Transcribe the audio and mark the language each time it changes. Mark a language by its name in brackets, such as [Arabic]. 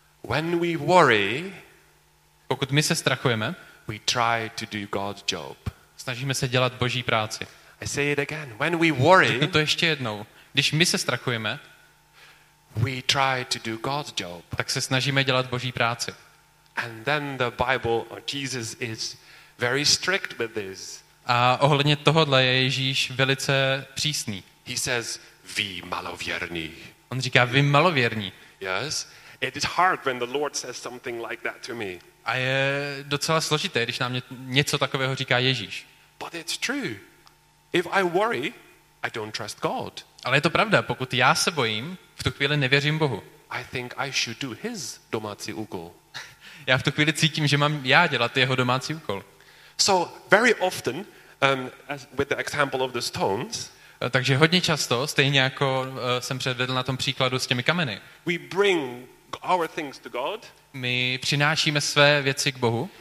[English] When we worry, [Czech] pokud my se strachujeme, [English] we try to do God's job. [Czech] Snažíme se dělat Boží práci. [English] I say it again. When we worry, [Czech] řeknu to ještě jednou. Když my se strachujeme, [English] we try to do God's job. [Czech] Tak se snažíme dělat Boží práci. [English] And then the Bible or Jesus is very strict with this. [Czech] A ohledně tohohle je Ježíš velice přísný. [English] He says, [Czech] vy malověrní. On říká, vy malověrní. [English] Yes, it is hard when the Lord says something like that to me. [Czech] A je docela složité, když nám něco takového říká Ježíš. [English] But it's true. If I worry, I don't trust God. [Czech] Ale je to pravda, pokud já se bojím, v tu chvíli nevěřím Bohu. [English] I think I should do his [Czech] domácí úkol. Já v tu chvíli cítím, že mám já dělat jeho domácí úkol. [English] So very often, as with the example of the stones. [Czech] Takže hodně často, stejně jako jsem předvedl na tom příkladu s těmi kameny. [English] We bring our things to God. [Czech] My přinášíme své věci k Bohu.